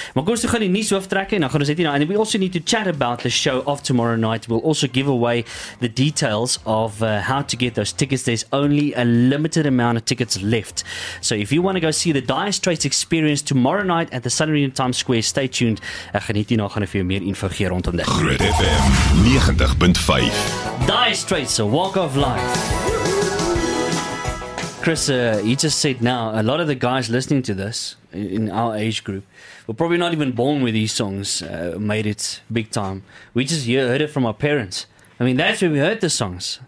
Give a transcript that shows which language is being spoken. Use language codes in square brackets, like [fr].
[af] Maar kom, so gaan die nuus hooftrek en dan gaan ons net nou, [en] and we also need to chat about the show of tomorrow night. We'll also give away the details of how to get those tickets. There's only a limited amount of tickets left. So if you want to go see the Dire Straits Experience tomorrow night at the Sun Arena Times Square, stay tuned. [af] Ek gaan net hierna gaan vir jou meer info gee rondom dit. Groot FM 90.5. [en] Dire Straits, a walk of life. Chris, you just said now, a lot of the guys listening to this in our age group were probably not even born with these songs, made it big time. We just heard it from our parents. I mean, that's where we heard the songs.